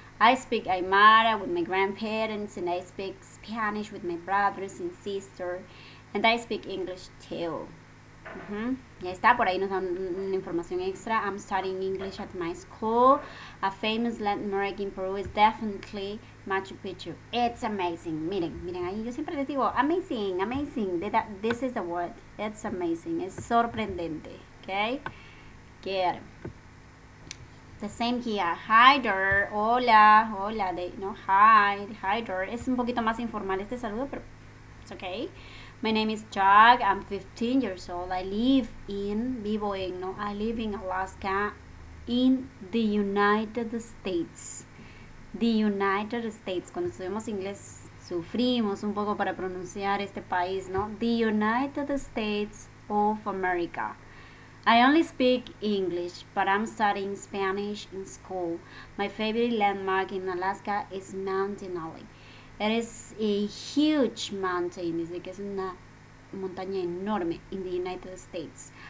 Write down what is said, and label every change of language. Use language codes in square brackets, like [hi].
[en] I speak Aymara with my grandparents and I speak Spanish with my brothers and sister. And I speak English too. Mm-hmm. [es] Ya está, por ahí nos dan una información extra. [en] I'm studying English at my school. A famous landmark in Peru is definitely Machu Picchu. It's amazing. Miren, ahí yo siempre les digo, amazing. This is the word. It's amazing. Es sorprendente. Okay? Good. The same here. Hider. Hola. [es] Hider. Es un poquito más informal este saludo, pero it's okay. My name is Jack. [en] I'm 15 years old. I live in Alaska in the United States. The United States. [es] Cuando estudiamos inglés, sufrimos un poco para pronunciar este país, ¿no? [en] The United States of America. I only speak English, but I'm studying Spanish in school. My favorite landmark in Alaska is Mount Denali. It is a huge mountain. Dice que es una montaña enorme in the United States.